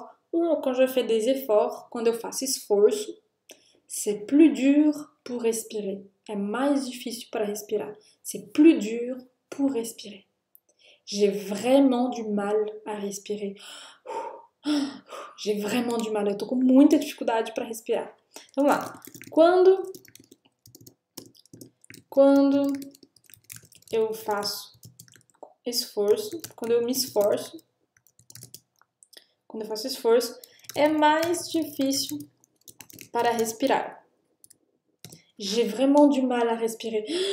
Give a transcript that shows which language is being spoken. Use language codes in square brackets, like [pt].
[fr] Quand je fais des efforts, [pt] quando eu faço esforço, [fr] c'est plus dur pour respirer. [pt] É mais difícil para respirar. [fr] C'est plus dur pour respirer. J'ai vraiment du mal à respirer. J'ai vraiment du mal. [pt] Eu tô com muita dificuldade para respirar. Vamos lá. Quando eu faço esforço, quando eu faço esforço, é mais difícil para respirar. [fr] J'ai vraiment du mal à respirer.